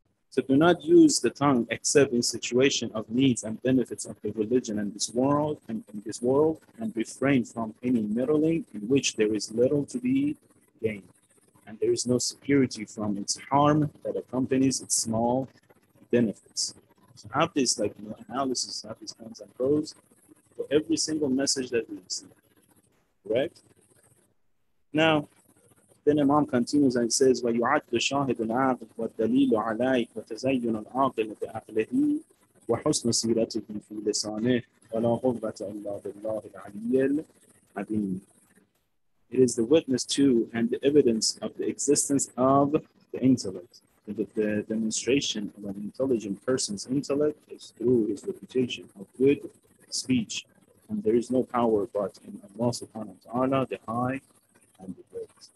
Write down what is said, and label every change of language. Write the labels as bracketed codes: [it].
[en] So do not use the tongue except in situation of needs and benefits of the religion and this world, and in this world, and refrain from any meddling in which there is little to be gained, and there is no security from its harm that accompanies its small benefits. So have this, like, you know, analysis, have these cons and pros for every single message that we receive. Correct? Now, then Imam continues and says, [ar] وَيُعَدُّ شَاهِدُ الْعَاقِلِ وَالدَّلِيلُ عَلَيْهِ وَتَزَيُّنُ الْعَاقِلِ بِأَقْلِهِ وَحُسْنُ سِيرَتِهِ فِي لِسَانِهِ وَلَا قُوَّةَ إِلَّا بِاللَّهِ الْعَلِيِّ الْعَظِيمِ. [en] It is the witness to and the evidence of the existence of the intellect. The demonstration of an intelligent person's intellect is through his reputation of good speech, and there is no power but in Allah subhanahu wa ta'ala, the High and the Great.